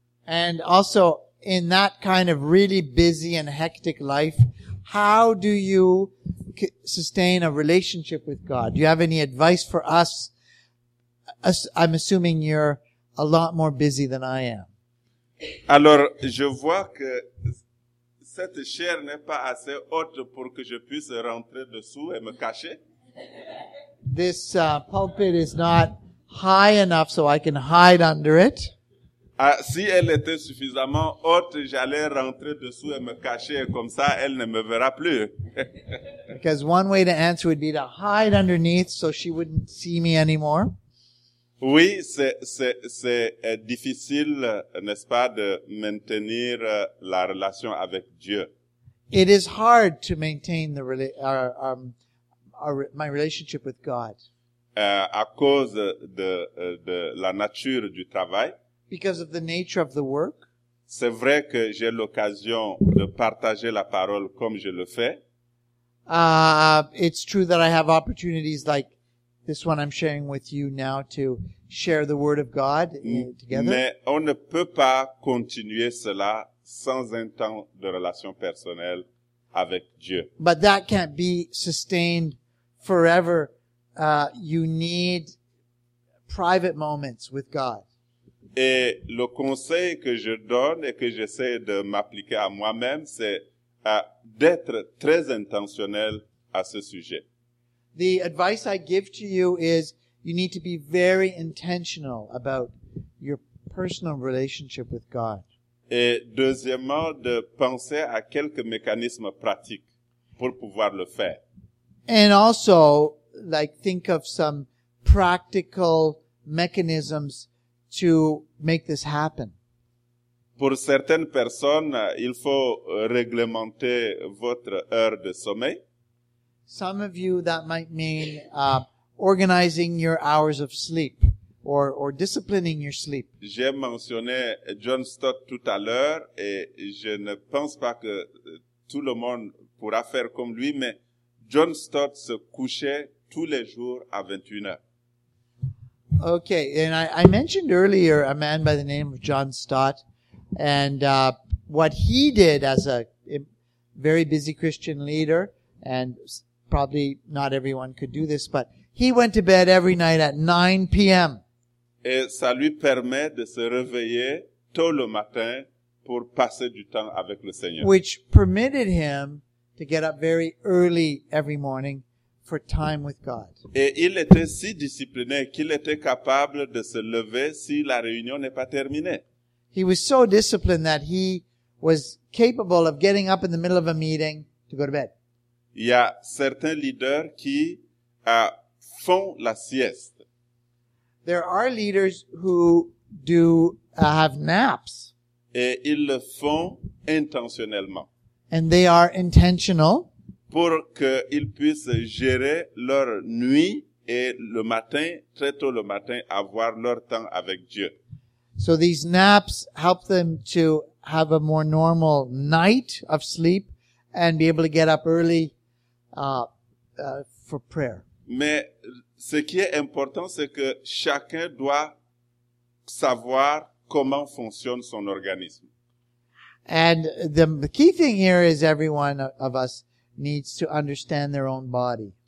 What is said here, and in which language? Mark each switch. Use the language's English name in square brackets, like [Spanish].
[English] And also, in that kind of really busy and hectic life, how do you sustain a relationship with God? Do you have any advice for us? I'm assuming you're a lot more busy than I am. [French] Alors, je vois que cette chair n'est pas assez haute pour que je puisse rentrer dessous et me cacher. [English] This pulpit is not high enough so I can hide under it. [French] Ah, si elle était suffisamment haute, j'allais rentrer dessous et me cacher, comme ça elle ne me verra plus. [English] Because one way to answer would be to hide underneath so she wouldn't see me anymore. [French] Oui, c'est difficile, n'est-ce pas, de maintenir la relation avec Dieu. [English] It is hard to maintain the my relationship with God. [French] À cause de la nature du travail. [English] Because of the nature of the work. [French] C'est vrai que j'ai l'occasion de partager la parole comme je le fais. [English] It's true that I have opportunities like this one I'm sharing with you now to share the word of God together. [French] Mais on ne peut pas continuer cela sans un temps de relation personnelle avec Dieu. [English] But that can't be sustained forever. You need private moments with God. [French] Et le conseil que je donne et que j'essaie de m'appliquer à moi-même, c'est d'être très intentionnel à ce sujet. [English] The advice I give to you is you need to be very intentional about your personal relationship with God. [French] Et deuxièmement, de penser à quelques mécanismes pratiques pour pouvoir le faire. [English] And also, like, think of some practical mechanisms to make this happen. [French] Pour certaines personnes, il faut réglementer votre heure de sommeil. [English] Some of you, that might mean organizing your hours of sleep or disciplining your sleep. [French] J'ai mentionné John Stott tout à l'heure et je ne pense pas que tout le monde pourra faire comme lui, mais John Stott se couchait tous les jours à 21h. [English] Okay, and I mentioned earlier a man by the name of John Stott, and what he did as a very busy Christian leader, and probably not everyone could do this, but he went to bed every night at 9 p.m. [French] Et ça lui permet de se réveiller tôt le matin pour passer du temps avec le Seigneur. [English] Which permitted him to get up very early every morning for time with God. [French] Et il était si discipliné qu'il était capable de se lever si la réunion n'est pas terminée. [English] He was so disciplined that he was capable of getting up in the middle of a meeting to go to bed. [French] Il y a certains leaders qui font la sieste. [English] There are leaders who do have naps. [French] Et ils le font intentionnellement. [English] And they are intentional. [French] Pour qu'ils puissent gérer leur nuit et le matin, très tôt le matin, avoir leur temps avec Dieu. [English] So these naps help them to have a more normal night of sleep and be able to get up early for prayer. [French] Mais ce qui est important, c'est que chacun doit savoir comment fonctionne son organisme. [English] And the key thing here is everyone of us needs to understand their own body.